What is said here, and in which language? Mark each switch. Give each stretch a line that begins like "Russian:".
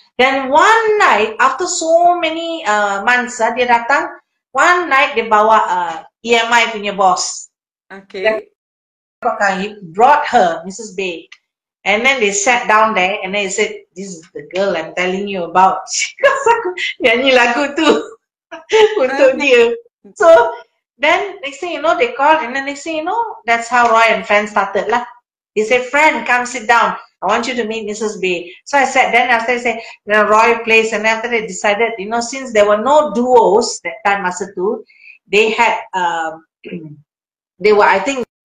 English: Then one night, after so many months,
Malay: dia datang.
English: One night,
Malay: dia bawa EMI punya boss.
English: Okay. He brought her, Mrs. Bay. And then they sat down there and then he said, "This is the girl I'm telling you about." Because
Malay: aku nyanyi lagu tu untuk dia.
English: So then next thing you know, they called, and then next thing you know, that's how Roy and Fran started lah. He said, "Fran, come sit down. I want you to meet Mrs. B." So I sat. Then after he said, then Roy plays, and after they decided, you know, since there were no duos that time
Malay: masa tu,
English: they had, they were, I think,